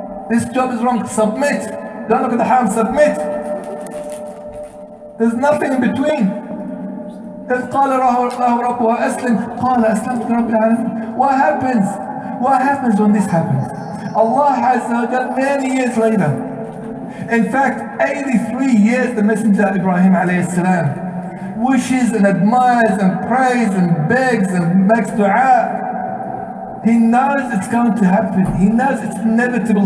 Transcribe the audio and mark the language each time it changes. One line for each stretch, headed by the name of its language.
English: This job is wrong, submit. Don't look at the haram, submit. There's nothing in between.
Arabic: إِذْ قَالَ رَبُّهُ أَسْلِمْ قَالَ أَسْلَمْتُ رَبِّ الْعَالَمِينَ
English: What happens? What happens when this happens? Allah has heard that many years later. In fact, 83 years the Messenger Ibrahim alayhi salam wishes and admires and prays and begs and makes dua. He knows it's going to happen. He knows it's inevitable.